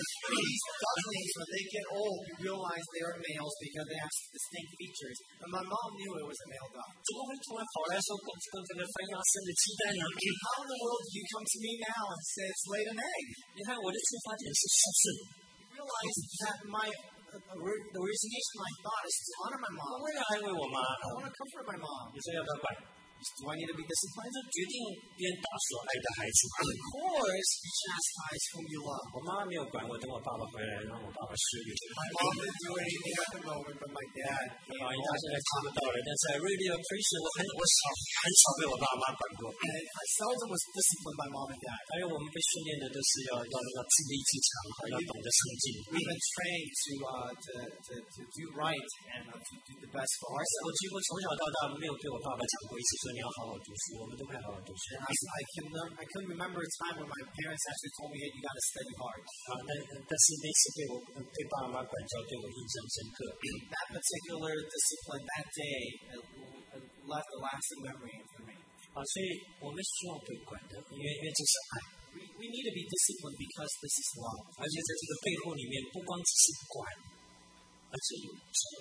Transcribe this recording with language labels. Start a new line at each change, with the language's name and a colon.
English: ducklings, when they get old, you realize they are males because they have distinct features. And my mom knew it was a male duck.
Chinese: 怎么会突然跑来说公这个番鸭生了鸡蛋呢？
English: How in the world do you come to me now and say it's laid an egg?
Chinese: 你看我的出发点是什么？
English: You realize that the origination of my thought is to honor my mom.
Chinese: 我为了安慰我妈。
English: I want to comfort my mom.
Chinese: 你说要不要管？
English: Do I need to be disciplined?
Chinese: 就决定鞭打所爱的孩子。
English: Of course, you chastise whom you love.
Chinese: 我妈没有管我，等我爸爸回来，然后我爸�ba吃鱼。My
English: mom didn't do anything at the moment, but my dad.
Chinese: 现在差不多了，但是
English: I really appreciate
Chinese: 我很少被我爸妈管过。And
English: I seldom was disciplined by mom and dad.
Chinese: 因为我们被训练的都是要自立自强，要懂得上进。We
English: been trained to do right and to do the best for ourselves.
Chinese: 我几乎从小到大没有对我爸爸讲过一次。说你要好好读书，我们都不太好好读书。
English: I can remember a time when my parents actually told me that you got to study hard.
Chinese: 但是那次对爸爸妈管教对我印象深刻。That
English: particular discipline that day left a lasting memory for me.
Chinese: 所以我们需要被管的，因为这是爱。We
English: need to be disciplined because this is love.
Chinese: 而且在这个背后里面，不光只是管，而是有成。